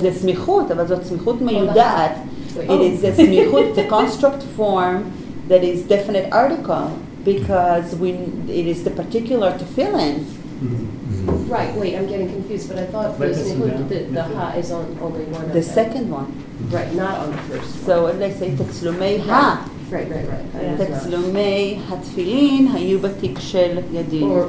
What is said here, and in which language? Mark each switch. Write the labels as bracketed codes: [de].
[he] זה סמיכות, אבל זאת סמיכות מיודעת. [en] It is a סמיכות, the construct form that is definite article because it is the particular tefillin. Right, wait, I'm getting confused, but I thought the smichut, the ha is on only one. The second one. Right, not on the first one. So let's say תצלומי ha. Right. [he] תצלומי התפילין היו בתיק של ידין.